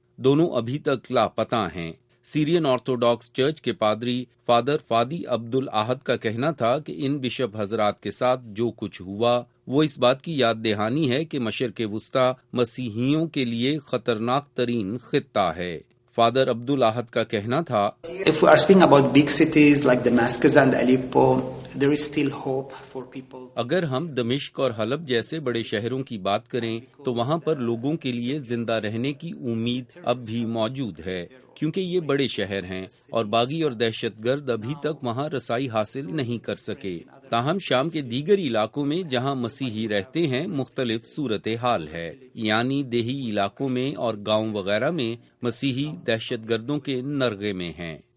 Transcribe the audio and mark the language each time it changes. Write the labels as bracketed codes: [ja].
[ur] دونوں ابھی تک لاپتہ ہیں. سیرین آرتھوڈاکس چرچ کے پادری فادر فادی عبد الاحد کا کہنا تھا کہ ان بشپ حضرات کے ساتھ جو کچھ ہوا وہ اس بات کی یاد دہانی ہے کہ مشرق وسطی مسیحیوں کے لیے خطرناک ترین خطہ ہے. فادر عبد الاحد کا کہنا تھا, [en] If we are speaking about big cities like Damascus and Aleppo, there is still hope for people. [ur] اگر ہم دمشق اور حلب جیسے بڑے شہروں کی بات کریں تو وہاں پر لوگوں کے لیے زندہ رہنے کی امید اب بھی موجود ہے کیونکہ یہ بڑے شہر ہیں اور باغی اور دہشت گرد ابھی تک وہاں رسائی حاصل نہیں کر سکے. تاہم شام کے دیگر علاقوں میں جہاں مسیحی رہتے ہیں مختلف صورتحال ہے, یعنی دیہی علاقوں میں اور گاؤں وغیرہ میں مسیحی دہشت گردوں کے نرغے میں ہیں.